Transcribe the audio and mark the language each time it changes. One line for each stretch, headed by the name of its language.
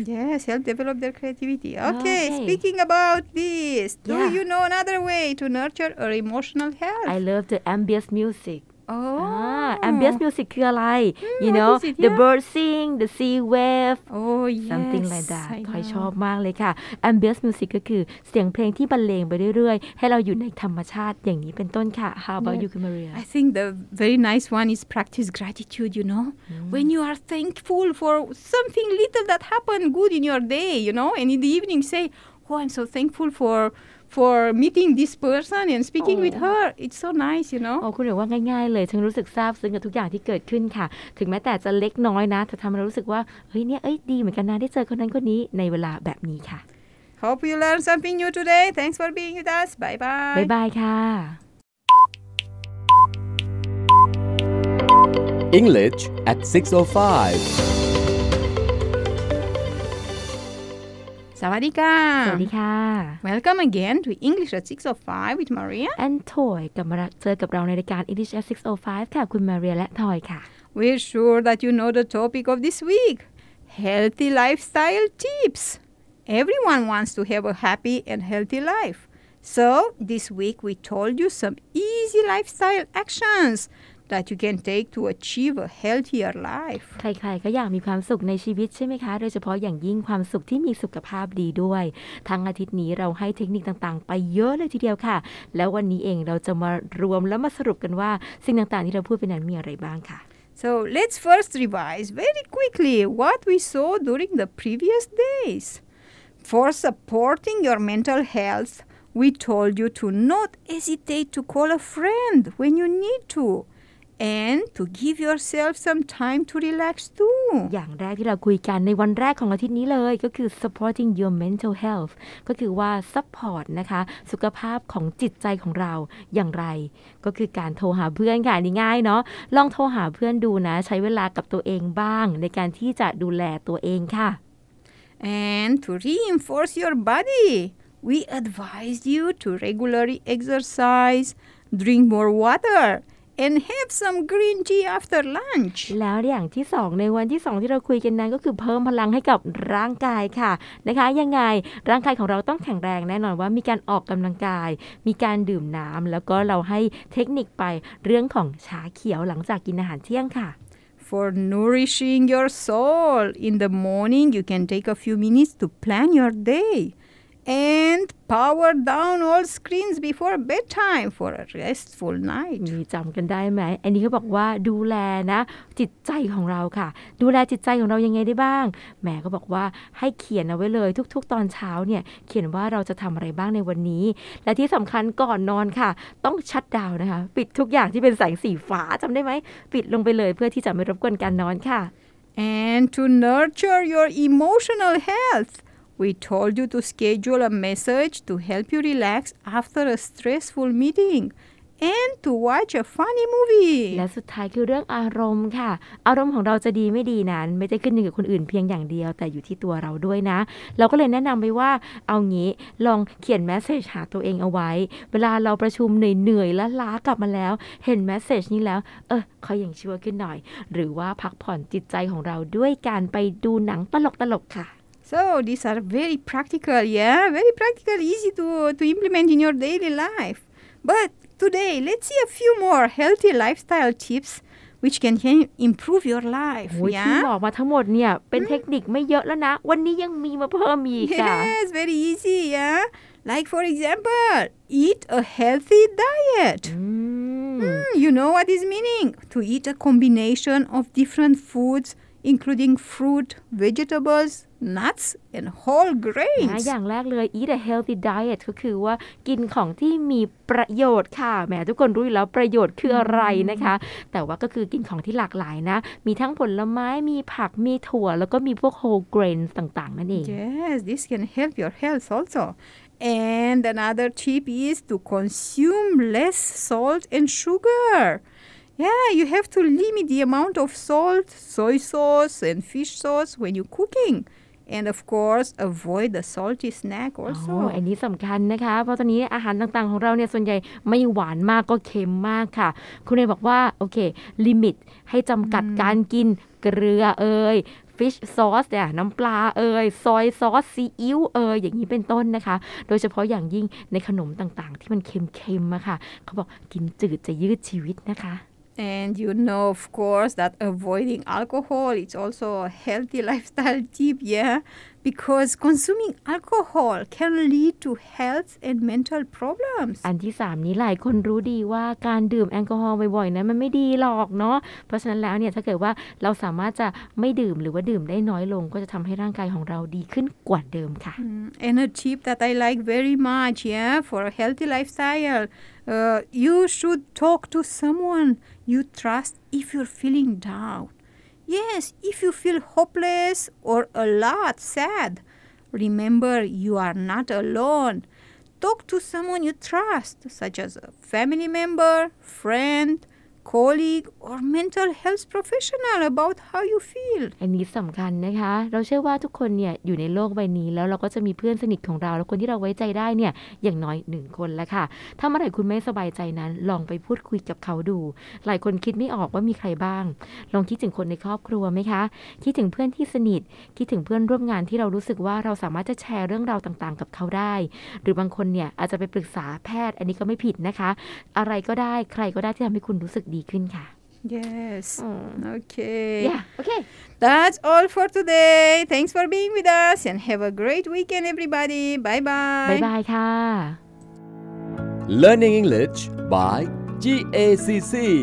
English: Yes help develop their creativity okay speaking about this do you know another way to nurture our emotional health I love the ambient music Oh,
Thai: ambient music คืออะไร
English: you know the bird sing the sea wave something like that
Thai: ค่อยชอบมากเลยค่ะ ambient music ก็คือเสียงเพลงที่บรรเลงไปเรื่อยๆให้เราอยู่ในธรรมชาติอย่างนี้เป็นต้นค่ะ
English: how about you Maria I think the very nice one is practice gratitude you know when you are thankful for something little that happened good in your day you know and in the evening say oh I'm so thankful for meeting this person and speaking with her it's so nice you know
Thai: โอ้คุณเรียกว่าง่ายๆเลยฉันรู้สึกซาบซึ้งกับทุกอย่างที่เกิดขึ้นค่ะถึงแม้แต่จะเล็กน้อยนะเธอทำให้เรารู้สึกว่าเฮ้ยเนี่ยเอ้ยดีเหมือนกันนะได้เจอคนนั้นคนนี้ในเวลาแบบนี้ค่ะ
English: Hope you learn something new today thanks for being with us bye bye bye bye
Thai: ค่ะ
English: English at 6:05
Thai: Sawadika. Sawadika.
English: Welcome again to English at 605 with Maria and Toy.
Thai: กลับมาเจอกับเราในรายการ English at 605ค่ะคุณ Maria และ Toy ค่ะ
English: We're sure that you know the topic of this week. Healthy lifestyle tips. Everyone wants to have a happy and healthy life. So, this week we told you some easy lifestyle actions. That you can take to achieve a healthier life.
Thai: ใครๆก็อยากมีความสุขในชีวิตใช่ไหมคะโดยเฉพาะอย่างยิ่งความสุขที่มีสุขภาพดีด้วยทั้งอาทิตย์นี้เราให้เทคนิคต่างๆไปเยอะเลยทีเดียวค่ะแล้ววันนี้เองเราจะมารวมและมาสรุปกันว่าสิ่งต่างๆที่เราพูดไปนั้นมีอะไรบ้างค่ะ
English: So let's first revise very quickly what we saw during the previous days. For supporting your mental health, we told you to not hesitate to call a friend when you need to. And to give yourself some time to relax too.
Thai: อย่างแรกที่เราคุยกันในวันแรกของอาทิตย์นี้เลยก็คือ
English: supporting your mental health
Thai: ก็คือว่า support นะคะสุขภาพของจิตใจของเราอย่างไรก็คือการโทรหาเพื่อนค่ะนี่ง่ายเนาะลองโทรหาเพื่อนดูนะใช้เวลากับตัวเองบ้างในการที่จะดูแลตัวเองค่ะ
English: And to reinforce your body, we advise you to regularly exercise, drink more water. And have some green tea after lunch.
Thai: แล้วอย่างที่สองในวันที่สองที่เราคุยกันนั้นก็คือเพิ่มพลังให้กับร่างกายค่ะนะคะยังไงร่างกายของเราต้องแข็งแรงแน่นอนว่ามีการออกกำลังกายมีการดื่มน้ำแล้วก็เราให้เทคนิคไปเรื่องของชาเขียวหลังจากกินอาหารเที่ยงค่ะ
English: For nourishing your soul in the morning, you can take a few minutes to plan your day. And power down all screens before bedtime for a restful night.
Thai: นี่จำกันได้ไหมอันนี้เขาบอกว่าดูแลนะจิตใจของเราค่ะดูแลจิตใจของเรายังไงได้บ้างแม่ก็บอกว่าให้เขียนเอาไว้เลยทุกๆตอนเช้าเนี่ยเขียนว่าเราจะทำอะไรบ้างในวันนี้และที่สำคัญก่อนนอนค่ะต้องชัตดาวน์นะคะปิดทุกอย่างที่เป็นแสงสีฟ้าจำได้ไหมปิดลงไปเลยเพื่อที่จะไม่รบกวนการนอนค่ะ
English: And to nurture your emotional healthWe told you to schedule a message to help you relax after a stressful meeting and to watch a funny movie.
Thai: และสุดท้ายคือเรื่องอารมณ์ค่ะอารมณ์ของเราจะดีไม่ดีนั้นไม่ได้ขึ้นอยู่กับคนอื่นเพียงอย่างเดียวแต่อยู่ที่ตัวเราด้วยนะเราก็เลยแนะนำไปว่าเอางี้ลองเขียนเมสเซจหาตัวเองเอาไว้เวลาเราประชุมเหนื่อยๆและล้ากลับมาแล้วเห็นเมสเซจนี้แล้วเออขออย่างชั่วขึ้นหน่อยหรือว่าพักผ่อนจิตใจของเราด้วยการไปดูหนังตลกๆค่ะ
English: So these are very practical, yeah? Very practical, easy to implement in your daily life. But today, let's see a few more healthy lifestyle tips which can improve your life, yeah?
Thai: ที่บอกมาทั้งหมดเนี่ยเป็นเทคนิคไม่เยอะแล้วนะวันนี้ยังมีมาเพิ่มอีกค่ะ
English: Yes, very easy, yeah? Like for example, eat a healthy diet. You know what this meaning? To eat a combination of different foods,including fruit, vegetables, nuts, and whole grains.
Thai: อย่างแรกเลย
English: eat a healthy diet
Thai: ก็คือว่ากินของที่มีประโยชน์ค่ะแหมทุกคนรู้อยู่แล้วประโยชน์คืออะไรนะคะแต่ว่าก็คือกินของที่หลากหลายนะมีทั้งผลไม้มีผักมีถั่วแล้วก็มีพวก whole grains ต่างๆนั่นเอง
English: Yes, this can help your health also. And another tip is to consume less salt and sugar. Yeah, you have to limit the amount of salt, soy sauce, and fish sauce when you're cooking. And of course, avoid the salty snack also.
Thai: Oh, อันนี้สำคัญนะคะเพราะตอนนี้อาหารต่างๆของเราเนี่ยส่วนใหญ่ไม่หวานมากก็เค็มมากค่ะคุณเอบอกว่าโอเคลิมิตให้จำกัดการกินเกลือเอ้ยfish sauce เนี่ยน้ำปลาเอ่ย soy sauce ซีอิ๊วเอ่ยอย่างนี้เป็นต้นนะคะโดยเฉพาะอย่างยิ่งในขนมต่างๆที่มันเค็มๆอะค่ะเขาบอกกินจืดจะยืดชีวิตนะคะ
English: And you know, of course, that avoiding alcohol is also a healthy lifestyle tip, yeah? Because consuming alcohol can lead to health and mental problems.
Thai: อันที่สามนี้หลายคนรู้ดีว่าการดื่มแอลกอฮอล์บ่อยๆนั้นมันไม่ดีหรอกเนาะเพราะฉะนั้นแล้วเนี่ยถ้าเกิดว่าเราสามารถจะไม่ดื่มหรือว่าดื่มได้น้อยลงก็จะทำให้ร่างกายของเราดีขึ้นกว่าเดิมค่ะ
English: And a tip that I like very much, yeah, for a healthy lifestyle, you should talk to someone. You trust if you're feeling down. Yes, if you feel hopeless or a lot sad, remember you are not alone. Talk to someone you trust, such as a family member, friend, colleague or mental health professional about how you feel.
Thai: อันนี้สำคัญนะคะเราเชื่อว่าทุกคนเนี่ยอยู่ในโลกใบนี้แล้วเราก็จะมีเพื่อนสนิทของเราและคนที่เราไว้ใจได้เนี่ยอย่างน้อย1คนละค่ะถ้าเมื่อไหร่คุณไม่สบายใจนั้นลองไปพูดคุยกับเขาดูหลายคนคิดไม่ออกว่ามีใครบ้างลองคิดถึงคนในครอบครัวไหมคะคิดถึงเพื่อนที่สนิทคิดถึงเพื่อนร่วมงานที่เรารู้สึกว่าเราสามารถจะแชร์เรื่องราวต่างๆกับเขาได้หรือบางคนเนี่ยอาจจะไปปรึกษาแพทย์อันนี้ก็ไม่ผิดนะคะอะไรก็ได้ใครก็ได้ที่ทำให้คุณรู้สึกดีขึ้นค่ะ
English: Yes okay Yeah okay That's all for today Thanks for being with us and have a great weekend everybody Bye bye Bye bye
Thai: ค่ะ
English: Learning English by GACC